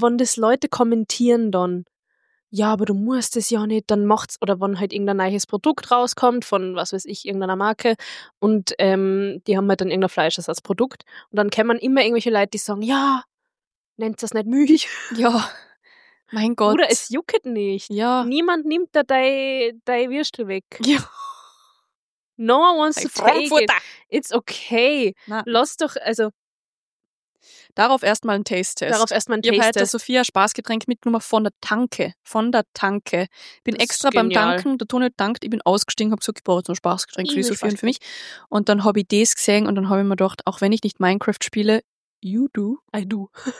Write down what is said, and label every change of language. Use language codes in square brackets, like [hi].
[de] Wenn das Leute kommentieren dann, ja, aber du musst es ja nicht, dann macht's, oder wenn halt irgendein neues Produkt rauskommt von, was weiß ich, irgendeiner Marke und die haben halt dann irgendein Fleisch als Produkt und dann kennt man immer irgendwelche Leute, die sagen, ja, nennt das nicht Milch. Ja. Mein Gott. Oder es juckt nicht. Ja. Niemand nimmt da dein Würstel weg. Ja. [en] No one wants to take it. It's okay. [de] Na. Lass doch, also, Darauf erstmal ein Taste-Test. Darauf erstmal ein Taste-Test. Ich habe heute Sophia Spaßgetränk mitgenommen von der Tanke. Von der Tanke. Bin das extra beim Tanken, der Toni dankt, ich bin ausgestiegen, habe gesagt, ich brauche jetzt noch Spaßgetränk für die Sophia und für mich. Und dann habe ich das gesehen und dann habe ich mir gedacht, auch wenn ich nicht Minecraft spiele, [en] you do, I do.